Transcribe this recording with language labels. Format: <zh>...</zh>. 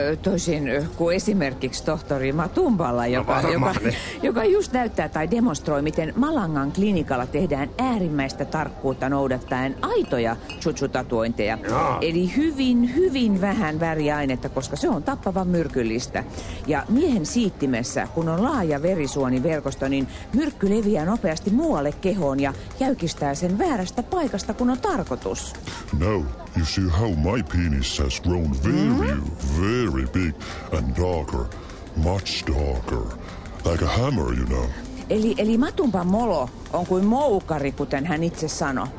<fi>Tosin kun esimerkiksi tohtori Matumballa, joka just näyttää tai demonstroi, miten Malangan klinikalla tehdään äärimmäistä tarkkuutta noudattaen aitoja chuchu-tatuointeja. Eli hyvin, hyvin vähän väriainetta, koska se on tappavan myrkyllistä. Ja miehen siittimessä, kun on laaja verisuoniverkosto, niin myrkky leviää nopeasti muualle kehoon ja jäykistää sen väärästä paikasta, kun on tarkoitus.</fi> <en>No, you see how my penis has grown very, very big and darker, much darker, like a hammer, you know.</en> <fi>Eli Matumban molo on kuin moukari, kuten hän itse sanoi.</fi>